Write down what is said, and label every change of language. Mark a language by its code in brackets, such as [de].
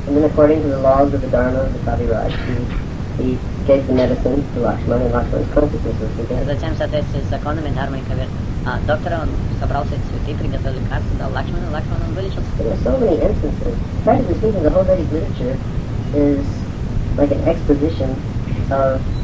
[en] And then according to the laws of the Dharma of the Kaviraj, he gave the medicine to Lakshman and Lakshman's consciousness was again. [ru] Затем, в соответствии с законами Дхармы и Кавир, доктор, он собрал все цветы, приготовил лекарства, дал Лакшману, и Лакшман он вылечился. [en] There are so many instances. Practically speaking, the whole Vedic literature is like an exposition of